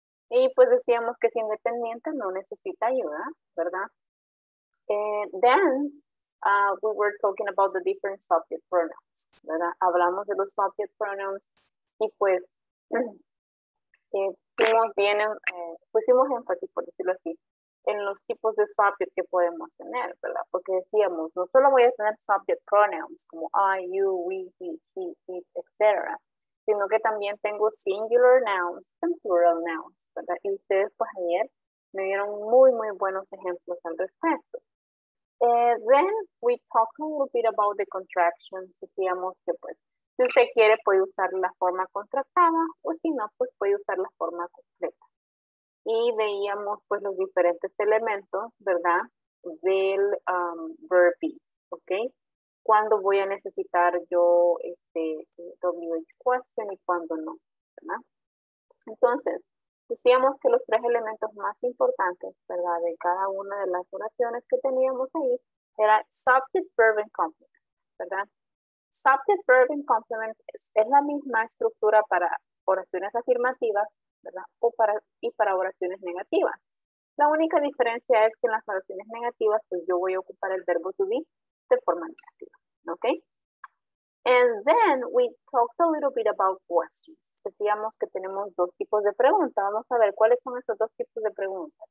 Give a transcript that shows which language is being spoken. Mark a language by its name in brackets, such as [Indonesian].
[Spanish] Y pues decíamos que si independiente no necesita ayuda, ¿verdad? [English] And then we were talking about the different subject pronouns, ¿verdad? [Spanish] Hablamos de los subject pronouns. Y pues, pusimos énfasis, por decirlo así, en los tipos de subject que podemos tener, ¿verdad? Porque decíamos, no solo voy a tener subject pronouns como I, you, we, he, she, it, etc. Sino que también tengo [English] singular nouns and plural nouns, [Spanish] ¿verdad? Y ustedes, pues, ayer me dieron muy, muy buenos ejemplos al respecto. [English] Then we talked a little bit about the contractions. [Spanish] Decíamos que, pues, si usted quiere, puede usar la forma contractada o si no, pues puede usar la forma completa. Y veíamos pues los diferentes elementos, ¿verdad? Del verb be, ¿ok? ¿Cuándo voy a necesitar yo este WH question y cuándo no, ¿verdad? Entonces, decíamos que los tres elementos más importantes, ¿verdad? De cada una de las oraciones que teníamos ahí era [English] subject, verb, and complement, [Spanish] ¿verdad? [English] Subject, verb, and complement [Spanish] es la misma estructura para oraciones afirmativas, ¿verdad? Y para oraciones negativas. La única diferencia es que en las oraciones negativas, pues yo voy a ocupar el verbo to be de forma negativa, ¿ok? [English] And then we talked a little bit about questions. [Spanish] Decíamos que tenemos dos tipos de preguntas. Vamos a ver cuáles son esos dos tipos de preguntas.